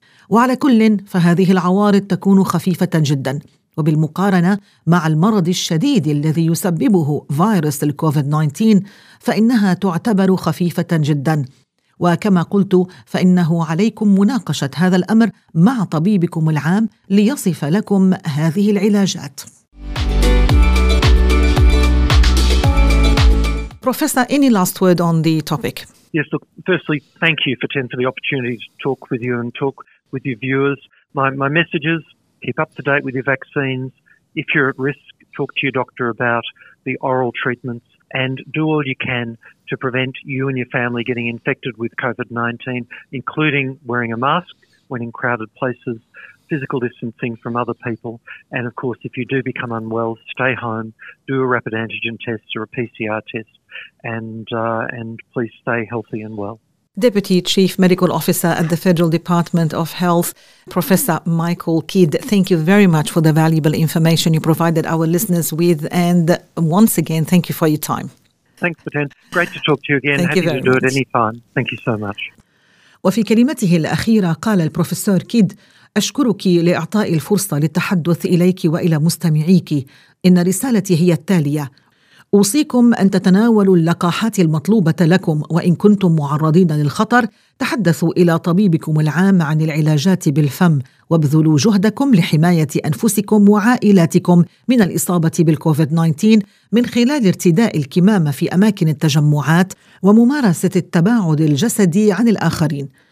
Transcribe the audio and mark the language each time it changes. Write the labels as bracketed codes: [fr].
[ar] وعلى كل فهذه العوارض تكون خفيفة جدا، وبالمقارنة مع المرض الشديد الذي يسببه فيروس الكوفيد 19 فإنها تعتبر خفيفة جدا. وكما قلت فإنه عليكم مناقشة هذا الأمر مع طبيبكم العام ليصف لكم هذه العلاجات. [en] Professor, any last word on the topic? Yes, look, firstly, thank you for taking the opportunity to talk with you and talk with your viewers. My message is keep up to date with your vaccines. If you're at risk, talk to your doctor about the oral treatments and do all you can to prevent you and your family getting infected with COVID-19, including wearing a mask when in crowded places, physical distancing from other people, and of course, if you do become unwell, stay home, do a rapid antigen test or a PCR test, and please stay healthy and well. Deputy Chief Medical Officer at the Federal Department of Health, Professor Michael Kidd, thank you very much for the valuable information you provided our listeners with, and once again, thank you for your time. Thanks, Patent. Great to talk to you again. Thank Happy you very to do much. It anytime. Thank you so much. [ar] وفي كلمته الأخيرة قال البروفيسور كيد: أشكرك لإعطاء الفرصة للتحدث إليك وإلى مستمعيك. إن رسالتي هي التالية: أوصيكم أن تتناولوا اللقاحات المطلوبة لكم، وإن كنتم معرضين للخطر تحدثوا إلى طبيبكم العام عن العلاجات بالفم، وابذلوا جهدكم لحماية أنفسكم وعائلاتكم من الإصابة بالكوفيد-19 من خلال ارتداء الكمامة في أماكن التجمعات وممارسة التباعد الجسدي عن الآخرين.